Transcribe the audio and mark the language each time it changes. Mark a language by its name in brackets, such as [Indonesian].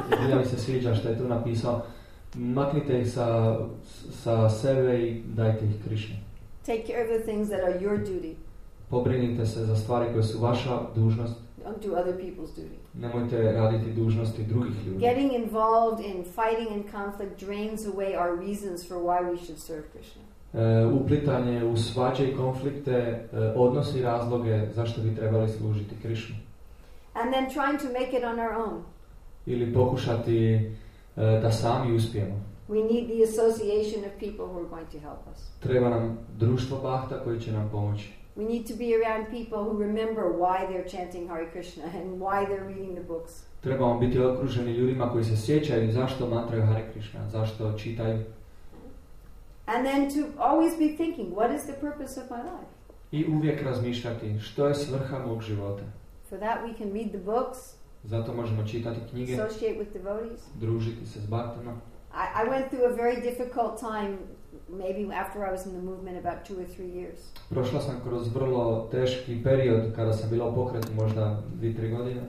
[Croatian] Ja mi se sviđa što je tu napisao. Maknite ih sa sebe i dajte ih Krishna. [English] Take care of the things that are your duty. [Croatian] Pobrinite se za stvari koje su vaša dužnost. [English] Don't do other people's duty. [Croatian] Nemojte raditi dužnosti drugih ljudi. [English] Getting involved in fighting and conflict drains away our reasons for why we should serve Krishna. [Croatian] Uplitanje u svađe i konflikte odnosi razloge zašto bi trebali služiti Krishna. [English] And then trying to make it on our own. [Croatian] Ili pokušati da sami uspijemo. [English] We need the association of people who are going to help us. [Croatian] Treba nam društvo bhakta koji će nam pomoći. [English] We need to be around people who remember why they're chanting Hare Krishna and why they're reading the books. [Croatian] Trebamo biti okruženi ljudima koji se sjećaju zašto mantraju Hare Krishna, zašto čitaju. [English] And then to always be thinking, what is the purpose of my life? [Croatian] I uvijek razmišljati, što je svrha mog života. [English] For that we can read the books. [Croatian] Zato možemo čitati knjige. [English] Associate with devotees. [Croatian] Družiti se s bhaktama. [English] I went through a very difficult time maybe after I was in the movement about 2 or 3 years. [Croatian] Prošla sam kroz vrlo teški period kada sam bila u pokretu možda 2-3 godine.